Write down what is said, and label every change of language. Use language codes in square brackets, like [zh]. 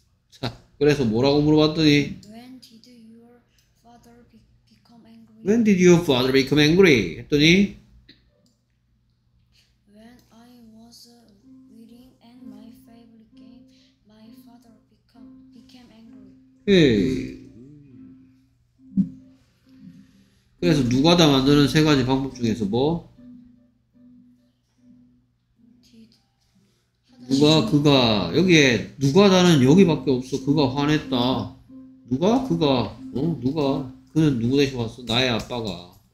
[ko] 자, 그래서 뭐라고 물어봤더니 [en] When did your father become angry? When did your father become angry? [ko] 했더니 [en] When I was reading and my favorite game, my father became angry. [ko] 그래서 누가 다 만드는 세 가지 방법 중에서 뭐? 누가 그가 여기에 누가 다는 여기밖에 없어. 그가 화냈다. 누가 그가 어 누가 그는 누구 대신 왔어? 나의 아빠가.